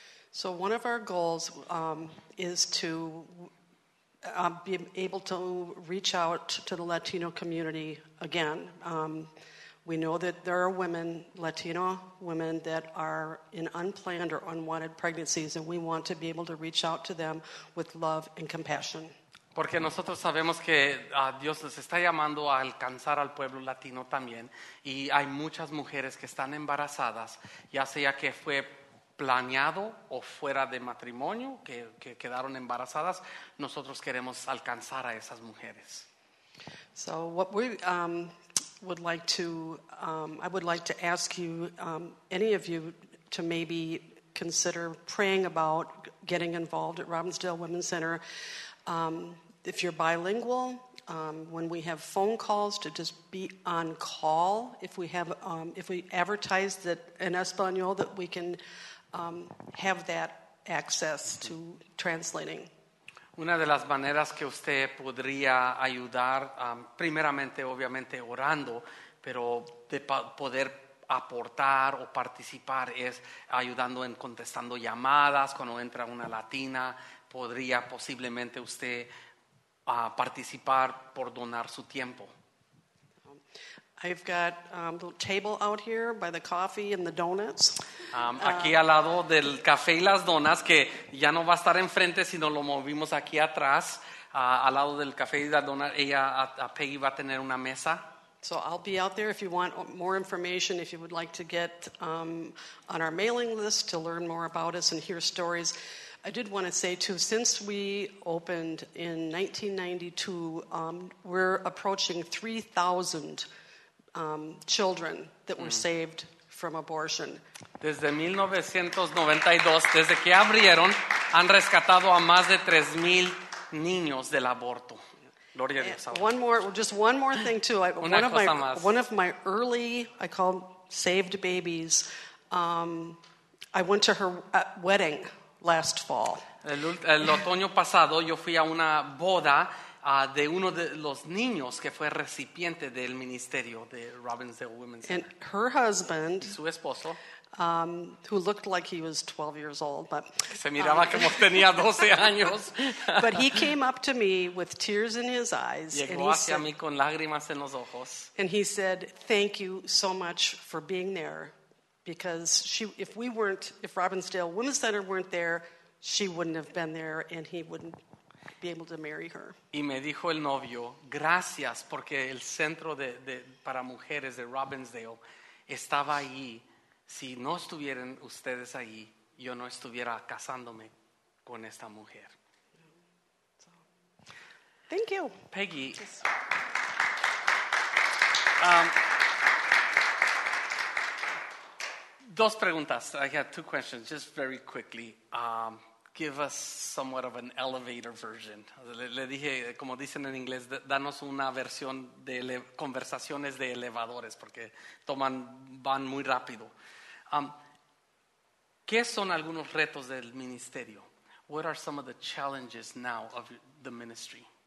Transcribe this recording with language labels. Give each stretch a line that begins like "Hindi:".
English: So one of our goals is to be able to reach out to the Latino community again. We know that there are women, Latino women, that are in unplanned or unwanted pregnancies, and we want to be able to reach out to them with love and compassion.
Spanish: Porque nosotros sabemos que Dios les está llamando a alcanzar al pueblo latino también, y hay muchas mujeres que están embarazadas, ya sea que fue planeado o fuera de matrimonio, que quedaron embarazadas. Nosotros queremos alcanzar a esas mujeres.
English: So what we would like to, I would like to ask you, any of you, to maybe consider praying about getting involved at Robbinsdale Women's Center. If you're bilingual, when we have phone calls, to just be on call. If we have, if we advertise that in Espanol, that we can have that access to translating.
Spanish: Una de las maneras que usted podría ayudar, primeramente, obviamente, orando, pero de poder aportar o participar es ayudando en contestando llamadas cuando entra una latina. Podría posiblemente usted participar por donar su tiempo.
English: I've got a little table out here by the coffee and the donuts.
Spanish: Aquí al lado del café y las donas, que ya no va a estar enfrente, sino lo movimos aquí atrás. Al lado del café y las donas, Peggy va a tener una mesa.
English: So I'll be out there if you want more information, if you would like to get on our mailing list to learn more about us and hear stories. I did want to say, too, since we opened in 1992, we're approaching 3,000 children that were saved from abortion.
Spanish: Desde 1992, desde que abrieron, han rescatado a más de 3,000 niños del aborto. Gloria a Dios.
English: One more, just one more thing too. One of my early, I call saved babies, I went to her wedding last fall.
Spanish: El otoño pasado, yo fui a una boda de uno de los niños que fue recipiente del ministerio de Robbinsdale Women's
English: Center. And her husband,
Spanish: su esposo,
English: who looked like he was 12 years old, but
Spanish: se miraba como tenía 12 años.
English: But he came up to me with tears in his eyes.
Spanish: Llegó hacia mí con lágrimas en los ojos.
English: And he said, "Thank you so much for being there, because if Robbinsdale Women's Center weren't there, she wouldn't have been there, and he wouldn't be able to marry her.
Spanish: Y me dijo el novio, gracias porque el centro de para mujeres de Robbinsdale estaba ahí. Si no estuvieran ustedes ahí, yo no estuviera casándome con esta mujer.
English: Thank you. Peggy. Yes.
Spanish: Dos preguntas.
English: I have two questions, just very quickly. Give us somewhat of an elevator version.
Spanish: Le dije, como dicen en inglés, danos una versión de conversaciones de elevadores, porque van muy rápido. ¿Qué son algunos retos del ministerio?
English: What are some of the challenges now of the ministry?